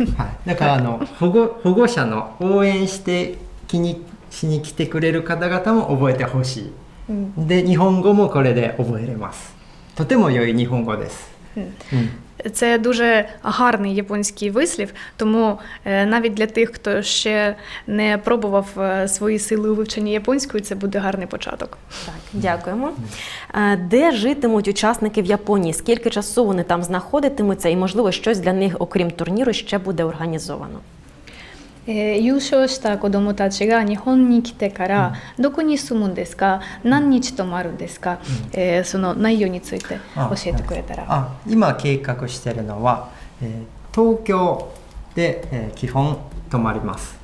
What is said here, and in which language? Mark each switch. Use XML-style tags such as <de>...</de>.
<ja>はい、だから、はい、保護者の応援して気にしに来てくれる方々も覚えてほしい、うん、で日本語もこれで覚えれます。とても良い日本語です、うんうん。</ja> <uk>Це дуже гарний японський вислів, тому навіть для тих, хто ще не пробував свої сили у вивченні японської, це буде гарний початок. Так, дякуємо. Де житимуть учасники в Японії? Скільки часу вони там знаходитимуться? І, можливо, щось для них, окрім турніру, ще буде організовано?</uk> <ja>優勝した子どもたちが日本に来てからどこに住むんですか、うん、何日泊まるんですか、うん、その内容について教えてくれたら。あ、今計画しているのは、東京で、基本泊まります、</ja>